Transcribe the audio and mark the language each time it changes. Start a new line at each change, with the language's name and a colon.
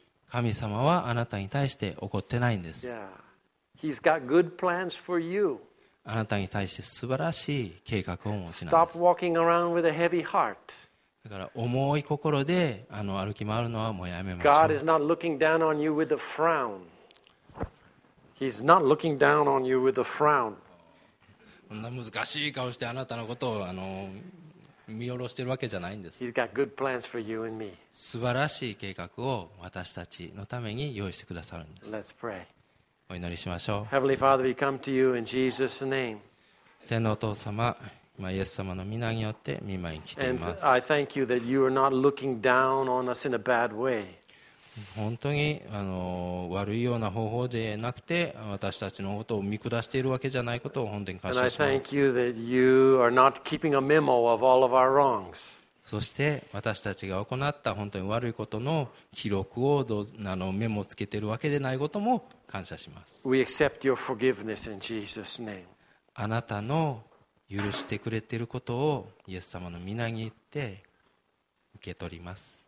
Japanese: 神様はあなたに対して怒ってないんです。
English: He's got good plans for you.
Japanese: あなたに対して素晴らしい計画を持ちなんです
English: Stop walking around with a heavy heart.
Japanese: だから重い心で歩き回るのはもうやめましょう。
English: God is not looking down on you with a frown. He's not looking down on you with a frown.
Japanese: こんな難しい顔してあなたのことを見下ろしてるわけじゃないんです。
English: He's got good plans for you and me.
Japanese: 素晴らしい計画を私たちのために用意してくださるんです。
English: Let's pray.
Japanese: お祈りしましょう。
English: Heavenly Father, we come to you in Jesus' name.
Japanese: 天のお父様。まあ、イエス様の御名によって御前に来ています。
English: I thank you that you are not looking down on us in a bad way.
Japanese: 本当に悪いような方法でなくて、私たちのことを見下しているわけじゃないことを本当に感謝します。
English: And I thank you that you are not keeping a memo of all of our wrongs.
Japanese: そして私たちが行った本当に悪いことの記録をメモをつけているわけでないことも感謝します。
English: We accept your forgiveness in Jesus' name.
Japanese: あなたの許してくれていることをイエス様の御名に言って受け取ります。